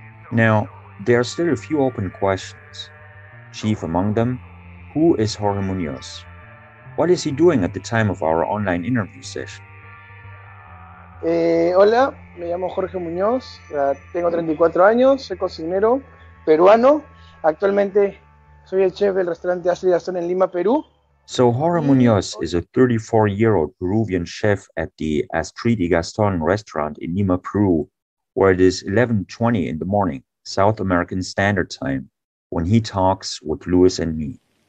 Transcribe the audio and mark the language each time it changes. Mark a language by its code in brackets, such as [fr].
[en] Now, there are still a few open questions. Chief among them, who is Jorge Muñoz? What is he doing at the time of our online interview session? [es] Hola, me llamo Jorge Muñoz, tengo 34 años, soy cocinero peruano. Actualmente soy el chef del restaurante Astrid Gastón en Lima, Perú. [en] So Jorge Muñoz is a 34-year-old Peruvian chef at the Astrid Gastón restaurant in Lima, Peru, where it is 11:20 in the morning, South American Standard Time, when he talks with Luis and me.